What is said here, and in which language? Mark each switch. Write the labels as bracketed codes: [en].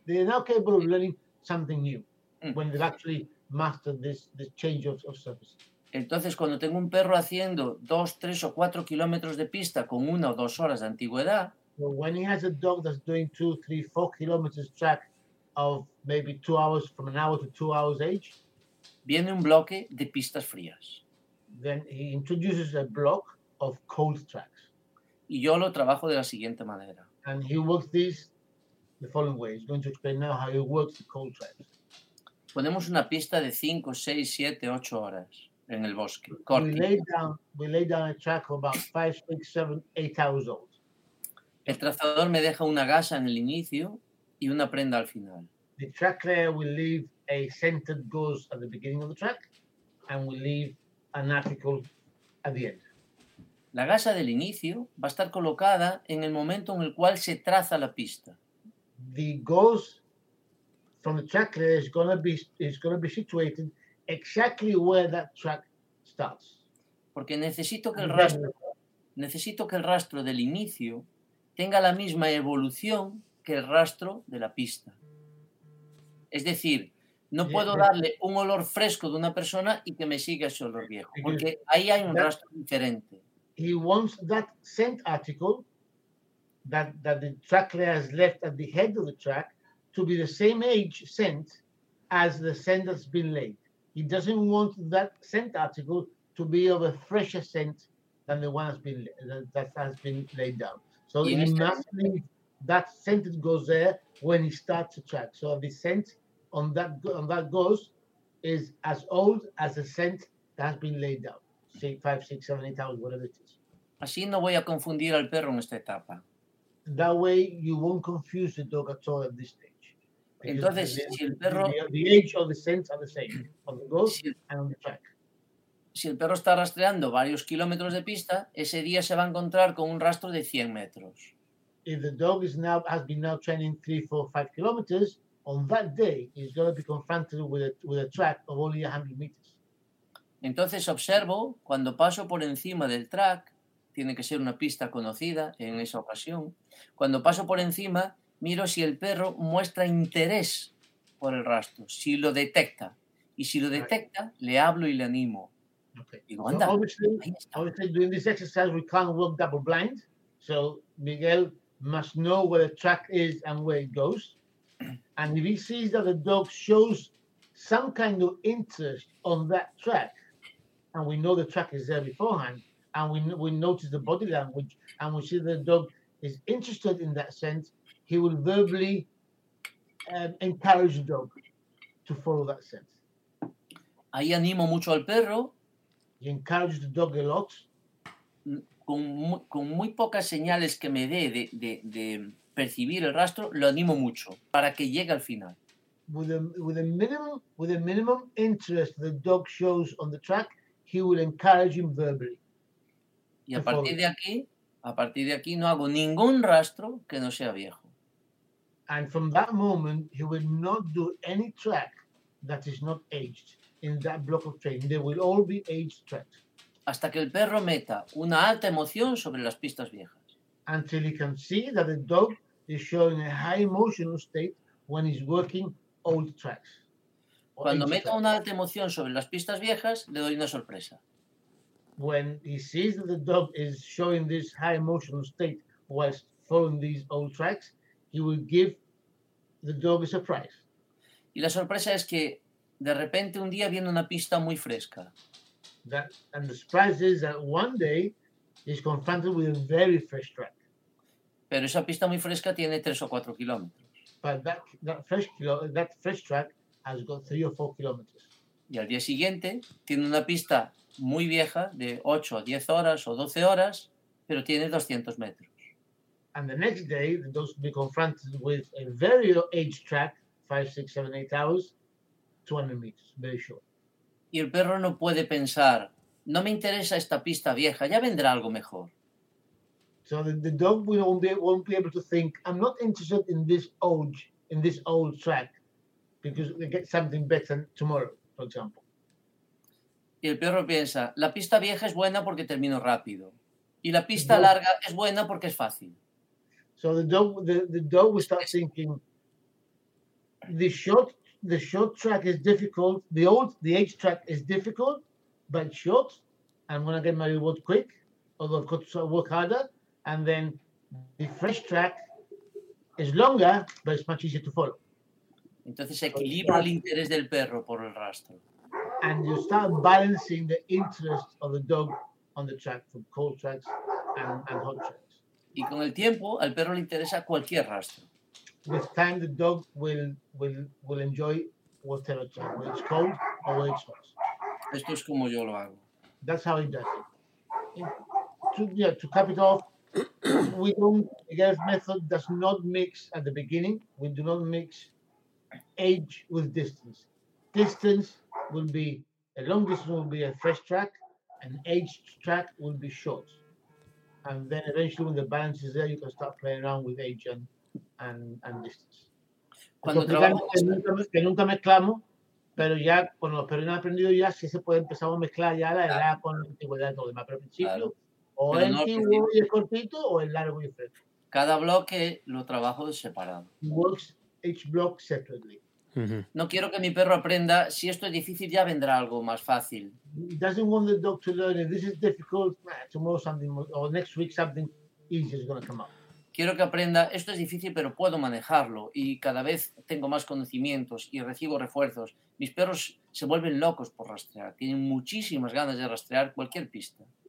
[en] They're now capable of learning something new when they've actually mastered this change of surface. [es] Entonces, cuando tengo un perro haciendo 2, 3, or 4 kilómetros de pista con 1 [en] or 2 hours [es] de antigüedad, [en] well, when he has a dog that's doing 2, 3, 4 kilometers track of maybe 2 hours, from an hour to 2 hours age, [es] viene un bloque de pistas frías. [en] Then he introduces a block of cold tracks. [es] Y yo lo trabajo de la siguiente manera. [en] And he works this the following way. He's going to explain now how he works the cold tracks. [es] Ponemos una pista de 5, 6, 7, 8 horas en el bosque. Corta. [en] We lay down a track of about 5, 6, 7, 8 hours old. [es] El trazador me deja una gasa en el inicio y una prenda al final. [en] The track layer will leave a scented gauze at the beginning of the track and we leave an article at the end. [es] La gasa del inicio va a estar colocada en el momento en el cual se traza la pista. [en] The gauze from the track layer is going to be situated exactly where that track starts. [es] Porque necesito que el rastro del inicio tenga la misma evolución que el rastro de la pista. Es decir, no puedo darle un olor fresco de una persona y que me siga ese olor viejo, porque ahí hay un rastro diferente. [en] He wants that scent article that the track layer has left at the head of the track to be the same age scent as the scent that's been laid. He doesn't want that scent article to be of a fresher scent than the one that has been laid down. So he must leave that scent that goes there when he starts to track. So the scent on that ghost is as old as the scent that has been laid down. Say 5, 6, 7, 8 hours, whatever it is. [es] Así no voy a confundir al perro en esta etapa. [en] That way you won't confuse the dog at all at this stage. Because [es] entonces, si el perro... [en] The age of the scent are the same, on the ghost and on the track. [es] Si el perro está rastreando varios kilómetros de pista, ese día se va a encontrar con un rastro de 100 metros. [en] If the dog has been training 3, 4, 5 kilometers, on that day, he's going to be confronted with a track of only 100 meters. [es] Entonces observo cuando paso por encima del track, tiene que ser una pista conocida en esa ocasión. Cuando paso por encima, miro si el perro muestra interés por el rastro, si lo detecta. Y si lo detecta, le hablo y le animo. [en] Okay. [es] Digo, anda, [en] obviously, doing this exercise, we can't walk double blind. So Miguel must know where the track is and where it goes. And if he sees that the dog shows some kind of interest on that track, and we know the track is there beforehand, and we notice the body language, and we see that the dog is interested in that scent, he will verbally encourage the dog to follow that scent. [es] Ahí animo mucho al perro. [en] He encourages the dog a lot. [es] Con muy pocas señales que me dé de percibir el rastro, lo animo mucho para que llegue al final. [en] With a minimum interest the dog shows on the track, he will encourage him verbally. [es] Y a partir de aquí, a partir de aquí, no hago ningún rastro que no sea viejo. [en] And from that moment, he will not do any track that is not aged in that block of train. They will all be aged tracks. [es] Hasta que el perro meta una alta emoción sobre las pistas viejas. [en] Until he can see that the dog is showing a high emotional state when he's working old tracks. [es] Cuando meta una alta emoción sobre las pistas viejas, le doy una sorpresa. [en] When he sees that the dog is showing this high emotional state whilst following these old tracks, he will give the dog a surprise. [es] Y la sorpresa es que de repente un día viene una pista muy fresca. [en] And the surprise is that one day he's confronted with a very fresh track. [es] Pero esa pista muy fresca tiene 3 o 4 kilómetros. [en] But that fresh track has got 3 or 4 kilometers. [es] Y al día siguiente tiene una pista muy vieja de 8 a 10 horas o 12 horas, pero tiene 200 metros. [en] And the next day the dog will be confronted with a very aged track, 5, 6, 7, 8 hours, 200 meters, very short. [es] Y el perro no puede pensar, no me interesa esta pista vieja, ya vendrá algo mejor. [en] So the dog won't be able to think, I'm not interested in this old track, because we get something better tomorrow, for example. [es] Y el perro piensa, la pista vieja es buena porque termino rápido. Y la pista larga es buena porque es fácil. [en] So the dog will start thinking, the short track is difficult, the age track is difficult, but short, I'm going to get my reward quick, although I've got to work harder, and then the fresh track is longer, but it's much easier to follow. [es] Entonces equilibra el interés del perro por el rastro. [en] And you start balancing the interest of the dog on the track from cold tracks and hot tracks. [es] Y con el tiempo, al perro le interesa cualquier rastro. [en] With time, the dog will enjoy whatever track, whether it's cold or whether it's hot. [es] Esto es como yo lo hago. [en] That's how he does it. To cap it off, we don't, the GERF method does not mix at the beginning. We do not mix age with distance. Distance will be, a long distance will be a fresh track, an aged track will be short. And then eventually when the balance is there, you can start playing around with age and distance. [es] Cuando trabajamos... Que nunca mezclamos, pero ya, con los perros han aprendido ya, si se puede empezar a mezclar ya la edad con la antigüedad de los demás, pero al principio, claro. O pero el antiguo no y el cortito, o el largo y el fresco. Cada bloque lo trabajo separado. [en] Works each block separately. Mm-hmm. [es] No quiero que mi perro aprenda, si esto es difícil ya vendrá algo más fácil. [en] He doesn't want the dog to learn if this is difficult, tomorrow something or next week something easy is going to come up. [es] Quiero que aprenda, esto es difícil pero puedo manejarlo y cada vez tengo más conocimientos y recibo refuerzos. Mis perros se vuelven locos por rastrear, tienen muchísimas ganas de rastrear cualquier pista.